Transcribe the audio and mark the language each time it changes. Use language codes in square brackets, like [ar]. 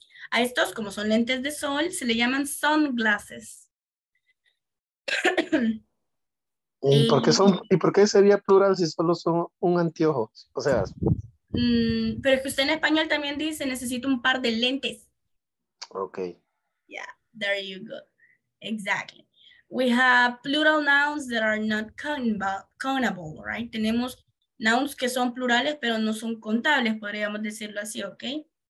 [es] A estos, como son lentes de sol, se le llaman sunglasses. ¿Y por qué sería plural si solo son un anteojo? O sea. Pero es que usted en español también dice, necesito un par de lentes. Ok. [en] Yeah, there you go. Exactly. We have plural nouns that are not countable, right? [es] Tenemos nouns que son plurales, pero no son contables, podríamos decirlo así, okay?